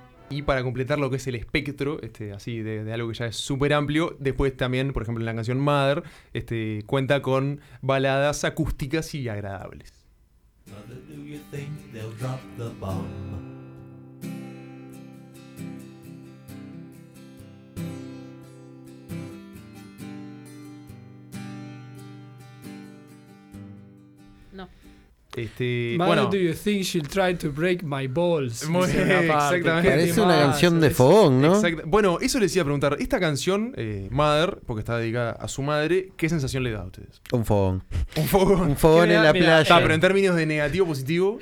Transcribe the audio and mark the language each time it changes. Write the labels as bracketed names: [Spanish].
[Spanish] Y para completar lo que es el espectro, así de algo que ya es súper amplio, después también, por ejemplo, en la canción Mother, cuenta con baladas acústicas y agradables. [English] Mother, do you think they'll drop the bomb? [Spanish] No. Man, bueno. [English] Do you think she'll try to break my balls? [Spanish] Exactamente. Parece una canción de fogón, ¿no? Exacto. Bueno, eso les iba a preguntar. Esta canción, Mother, porque está dedicada a su madre, ¿qué sensación le da a ustedes? Un fogón. Un fogón. Un fogón en la playa. Está, pero en términos de negativo, positivo.